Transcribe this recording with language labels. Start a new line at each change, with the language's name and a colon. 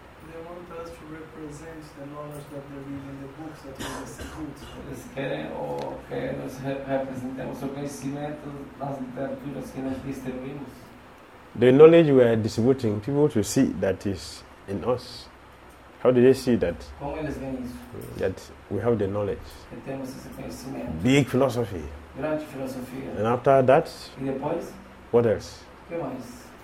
English: They want us to represent the knowledge that they read in the books that we see.
Portuguese: Eles querem ou que nós representemos o conhecimento das literaturas que nós distribuímos.
English: The knowledge we are distributing, people to see that is in us. How do they see that?
Portuguese: Como eles veem isso?
English: That we have the knowledge.
Portuguese: Que temos esse conhecimento.
English: Big philosophy.
Portuguese: Grande filosofia.
English: And after that?
Portuguese: E depois?
English: What else?
Portuguese: Que mais?